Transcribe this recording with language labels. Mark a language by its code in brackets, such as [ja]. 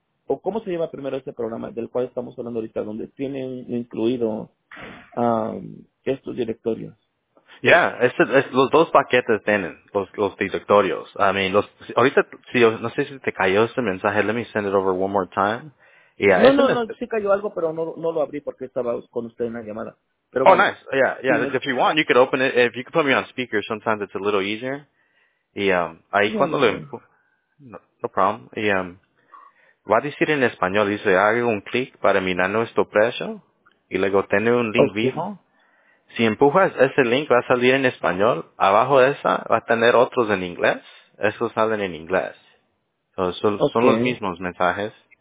[es] ¿O cómo se lleva primero este programa del cual estamos hablando ahorita, donde tienen incluido estos directorios? Yeah, los dos paquetes tienen, los directorios. [en] I mean, [es] no sé si te cayó este mensaje, [en] let me send it over one more time. Yeah, [es] sí cayó algo, pero no lo abrí porque estaba con usted en la llamada. Pero [en] oh, bueno, nice. Yeah. If you want, you could open it. If you could put me on speaker, sometimes it's a little easier. [es] Yeah, ahí cuando lo... [en] No problem. [es] Va a decir en español, dice, haga un clic para mirar nuestro precio y luego tiene un link vivo. Si empujas ese link, va a salir en español. Abajo de esa, va a tener otros en inglés. Esos salen en inglés. So, son los mismos mensajes.